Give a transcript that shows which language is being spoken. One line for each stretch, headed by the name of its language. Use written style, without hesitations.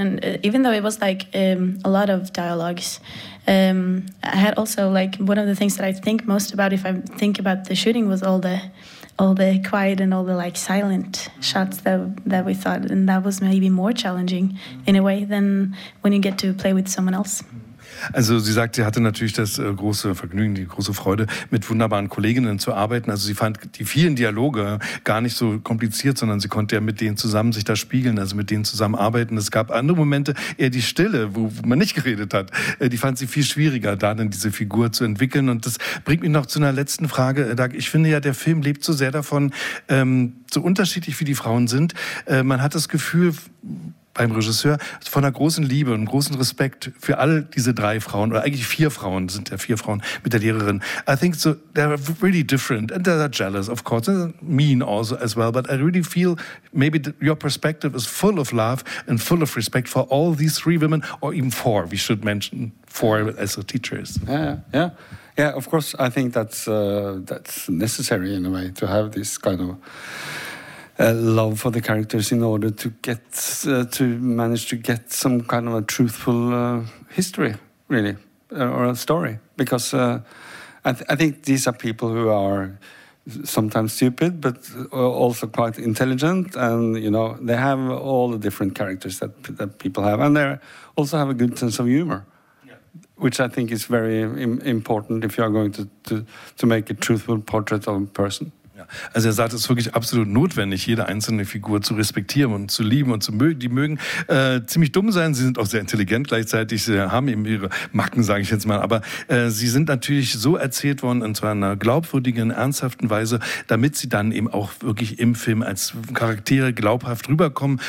English: And even though it was like a lot of dialogues, I had also like one of the things that I think most about if I think about the shooting was all the quiet and all the like silent shots that we thought, and that was maybe more challenging in a way than when you get to play with someone else.
German: Also sie sagt, sie hatte natürlich das große Vergnügen, die große Freude, mit wunderbaren Kolleginnen zu arbeiten. Also sie fand die vielen Dialoge gar nicht so kompliziert, sondern sie konnte ja mit denen zusammen sich da spiegeln, also mit denen zusammen arbeiten. Es gab andere Momente, eher die Stille, wo man nicht geredet hat. Die fand sie viel schwieriger, da dann diese Figur zu entwickeln. Und das bringt mich noch zu einer letzten Frage. Ich finde ja, der Film lebt so sehr davon, so unterschiedlich wie die Frauen sind. Man hat das Gefühl beim Regisseur, von einer großen Liebe und großen Respekt für all diese drei Frauen, oder eigentlich vier Frauen, sind ja vier Frauen mit der Lehrerin.
English: I think so, they're really different and they're jealous, of course, and mean also as well, but I really feel maybe your perspective is full of love and full of respect for all these three women, or even four, we should mention four as a teacher. Yeah, of course, I think that's necessary in a way to have this kind of love for the characters in order to get to manage to get some kind of a truthful history, really, or a story. Because I think these are people who are sometimes stupid, but also quite intelligent. And, you know, they have all the different characters that that people have. And they also have a good sense of humor, yeah, which I think is very important if you are going to make a truthful portrait of a person.
German: Also er sagt, es ist wirklich absolut notwendig, jede einzelne Figur zu respektieren und zu lieben und zu mögen. Die mögen ziemlich dumm sein, sie sind auch sehr intelligent gleichzeitig, sie haben eben ihre Macken, sage ich jetzt mal. Aber sie sind natürlich so erzählt worden, und zwar in einer glaubwürdigen, ernsthaften Weise, damit sie dann eben auch wirklich im Film als Charaktere glaubhaft rüberkommen.